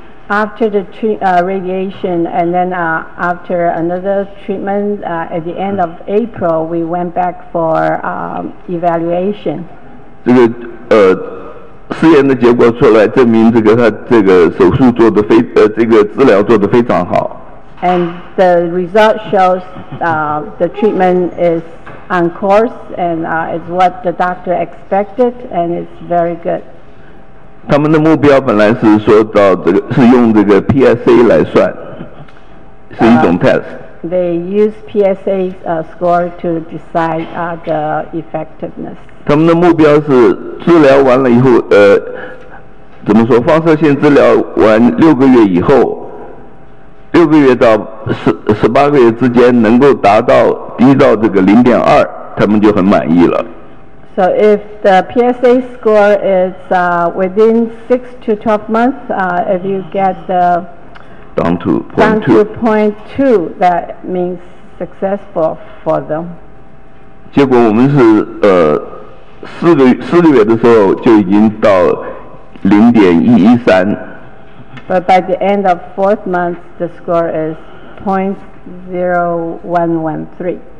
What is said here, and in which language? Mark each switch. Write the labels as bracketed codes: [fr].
[en] After the radiation, and then after another treatment, at the end of April, we went back for evaluation. [zh] 这个试验的结果出来，证明这个他这个手术做的非这个治疗做的非常好。 [en] And the result shows the treatment is on course and is what the doctor expected, and it's very good. [zh] 他们的目标本来是说到这个是用这个 PSA 来算，是一种 test。 [en] They use PSA score to decide the effectiveness。 [zh] 他们的目标是治疗完了以后，怎么说？放射线治疗完六个月以后，六个月到十八个月之间能够低到这个0.2，他们就很满意了。 [en] So if the PSA score is within 6 to 12 months, if you get the down to 0.2, that means successful for them. [zh] 结果我们是四个月的时候就已经到0.113. [en] But by the end of 4th month, the score is 0.0113.